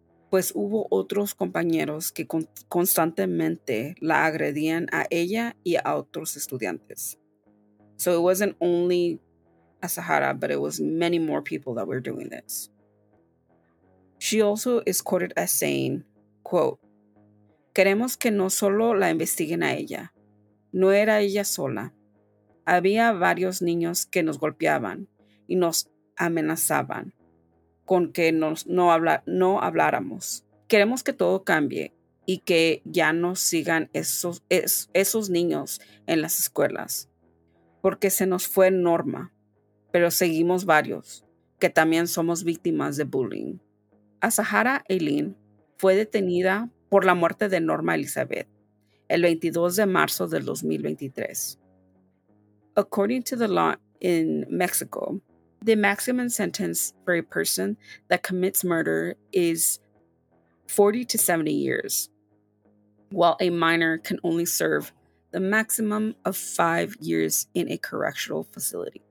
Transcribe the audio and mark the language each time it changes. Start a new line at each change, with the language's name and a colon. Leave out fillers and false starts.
Spanish: Pues hubo otros compañeros que constantemente la agredían a ella y a otros estudiantes.
English: So it wasn't only Asahara, but it was many more people that were doing this. She also is quoted as saying, quote,
Spanish: queremos que no solo la investiguen a ella. No era ella sola. Había varios niños que nos golpeaban y nos amenazaban con que no habláramos. Queremos que todo cambie y que ya no sigan esos niños en las escuelas. Porque se nos fue Norma, pero seguimos varios, que también somos víctimas de bullying. Asahara Eileen fue detenida por la muerte de Norma Elizabeth el 22 de marzo del 2023.
English: According to the law in Mexico, the maximum sentence for a person that commits murder is 40 to 70 years, while a minor can only serve the maximum of 5 years in a correctional facility.